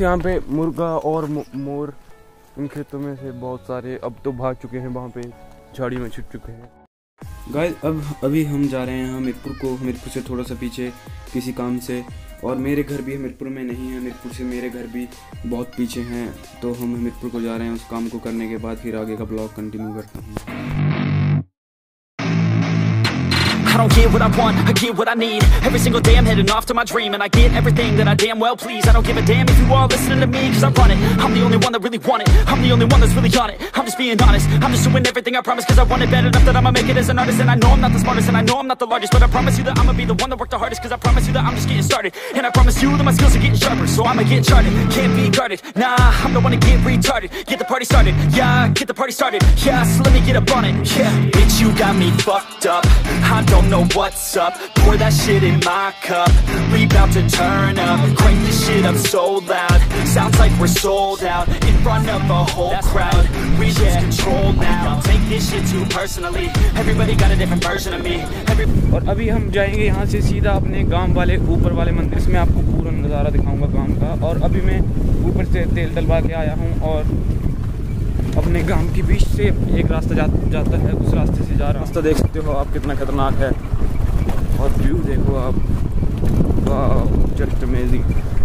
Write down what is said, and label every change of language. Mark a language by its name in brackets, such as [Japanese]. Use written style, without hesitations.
[Hindi] यहाँ पे मुर्गा और मोर इन खेतों में से बहुत सारे अब तो भाग चुके हैं, वहां पे झाड़ी में छिप चुके हैं। गाइस अब अभी हम जा रहे हैं हमीरपुर को, हमीरपुर से थोड़ा सा पीछे किसी काम से। और मेरे घर भी हमीरपुर में नहीं है, हमीरपुर से मेरे घर भी बहुत पीछे हैं, तो हम हमीरपुर को जा रहे हैं उस काम को करने के बाद, फिर आगे का ब्लॉग कंटिन्यू करता हूँ। [English] I don't get what I want, I get what I need. Every single day I'm heading off to my dream, and I get everything that I damn well please. I don't give a damn if you all listening to me, cause I'm running. I'm the only one that really want it, I'm the only one that's really on it. I'm just being honest, I'm just doing everything I promise, cause I want it bad enough that I'ma make it as an artist. And I know I'm not the smartest, and I know I'm not the largest, but I promise you that I'ma be the one that worked the hardest, cause I promise you that I'm just getting started. And I promise you that my skills are getting sharper, so I'ma get charted, can't be guarded. Nah, I'm the one to get retarded, get the party started, yeah, get the party started. Yeah, so let me get up on it, yeah. Bitch, you got me fucked up, I don't know what's up, pour that shit in my cup, we bout to turn up, crank this shit up so loud, sounds like we're sold out, in front of a whole crowd, we lose control now, take this shit too personally, everybody got a different version of me. [Hindi] और अभी हम जाएंगे यहाँ से सीधा अपने गांव वाले ऊपर वाले मंदिर, इसमें आपको पूरा नज़ारा दिखाऊंगा गांव का। और अभी मैं ऊपर से तेल डलवा के आया हूँ और अपने गांव के बीच से एक रास्ता जाता है, उस रास्ते से जा रहा हूँ। रास्ता देख सकते हो आप कितना खतरनाक है, और व्यू देखो आप, [English] Just amazing.